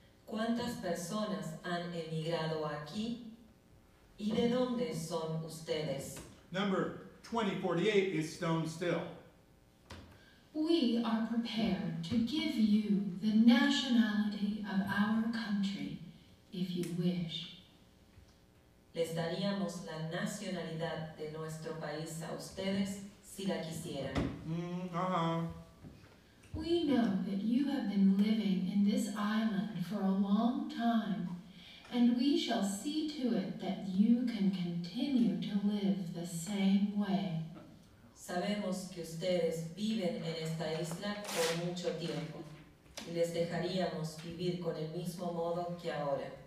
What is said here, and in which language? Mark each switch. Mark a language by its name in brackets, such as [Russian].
[Spanish] ¿Cuántas personas han emigrado aquí? ¿Y de dónde son ustedes? [English] Number 2048 is stone still. We are prepared to give you the nationality of our country, if you wish. [Spanish] Les daríamos la nacionalidad de nuestro país a ustedes si la quisieran. [English] We know that you have been living in this island for a long time, and we shall see to it that you can continue to live the same way. [Spanish] Sabemos que ustedes viven en esta isla por mucho tiempo, y les dejaríamos vivir con el mismo modo que ahora.